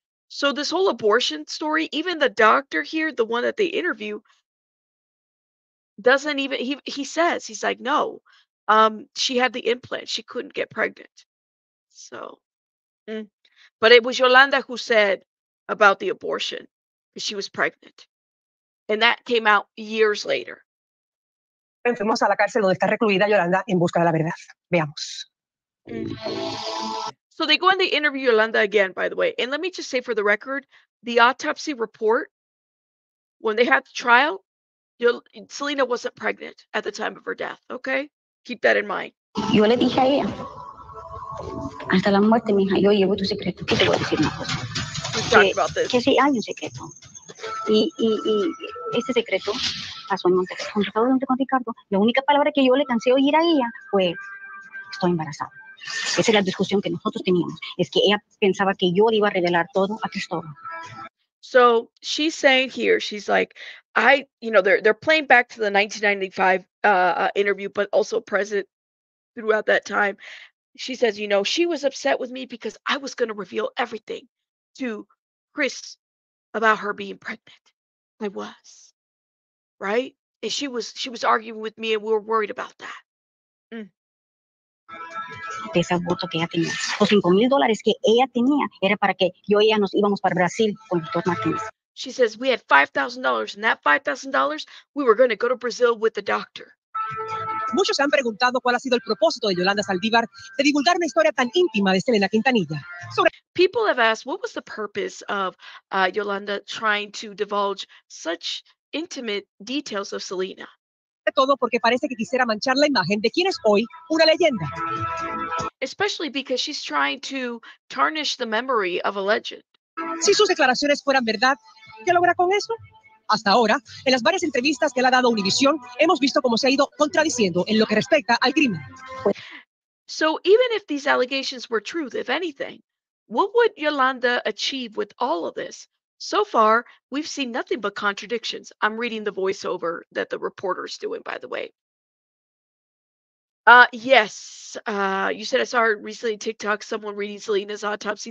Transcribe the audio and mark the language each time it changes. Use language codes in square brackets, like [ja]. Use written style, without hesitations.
[en] So this whole abortion story, even the doctor here, the one that they interview, doesn't even, he says, she had the implant. She couldn't get pregnant. So, but it was Yolanda who said about the abortion, because she was pregnant. And that came out years later. [es] Fuimos a la cárcel donde está recluida Yolanda en busca de la verdad. Veamos. [en] So they go and they interview Yolanda again, by the way. And let me just say for the record, the autopsy report, when they had the trial, Selena wasn't pregnant at the time of her death, okay? Keep that in mind. [es] Yo le dije a ella, hasta la muerte, mija, yo llevo tu secreto. ¿Qué te voy a decir una cosa? Que sí, hay un secreto. Y ese secreto pasó en Monterrey. Con Ricardo, con Ricardo, la única palabra que yo le cansé oír a ella fue, estoy embarazada. Esa es la discusión que nosotros teníamos. Es que ella pensaba que yo le iba a revelar todo a Cristóbal. [en] So she's saying here, she's like, they're playing back to the 1995 interview, but also present throughout that time. She says, you know, she was upset with me because I was going to reveal everything to Chris about her being pregnant. I was, right? And she was arguing with me, and we were worried about that. [es] De ese aborto que ella tenía. Los $5,000 que ella tenía era para que yo y ella nos íbamos para Brasil con el doctor Martínez. [en] She says we had $5,000, and that $5,000, we were going to go to Brazil with the doctor. [es] Muchos se han preguntado cuál ha sido el propósito de Yolanda Saldivar de divulgar una historia tan íntima de Selena Quintanilla. [en] People have asked, what was the purpose of Yolanda trying to divulge such intimate details of Selena? [es] De todo porque parece que quisiera manchar la imagen de quien es hoy una leyenda. [en] Especially because she's trying to tarnish the memory of a legend. [es] Si sus declaraciones fueran verdad, ¿qué logra con eso? Hasta ahora, en las varias entrevistas que le ha dado Univision, hemos visto cómo se ha ido contradiciendo en lo que respecta al crimen. [en] So even if these allegations were truth, if anything, what would Yolanda achieve with all of this? So far, we've seen nothing but contradictions. I'm reading the voiceover that the reporter's doing, by the way. You said I saw recently TikTok someone reading Selena's autopsy.